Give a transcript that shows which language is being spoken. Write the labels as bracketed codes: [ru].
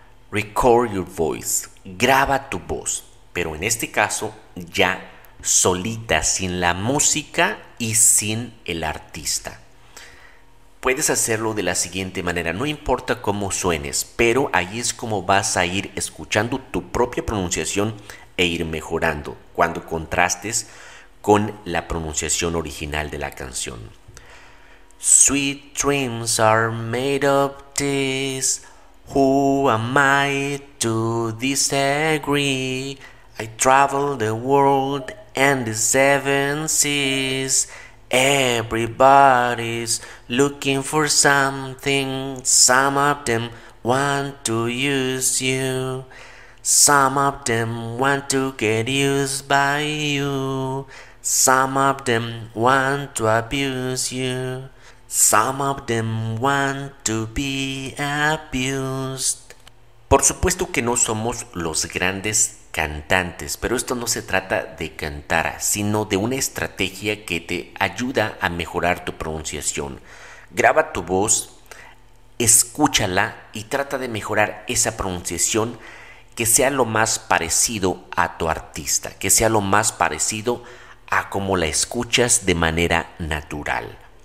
[en] Record your voice. [es] Graba tu voz, pero en este caso ya solita, sin la música y sin el artista. Puedes hacerlo de la siguiente manera. No importa cómo suenes, pero ahí es como vas a ir escuchando tu propia pronunciación e ir mejorando cuando contrastes con la pronunciación original de la canción. [en] Sweet dreams are made of this. Who am I to disagree? I travel the world and the seven seas. Everybody's looking for something. Some of them want to use you. Some of them want to get used by you. Some of them want to abuse you. Some of them want to be abused. [es] Por supuesto que no somos los grandes cantantes, pero esto no se trata de cantar, sino de una estrategia que te ayuda a mejorar tu pronunciación. Graba tu voz, escúchala y trata de mejorar esa pronunciación que sea lo más parecido a tu artista, que sea lo más parecido a cómo la escuchas de manera natural.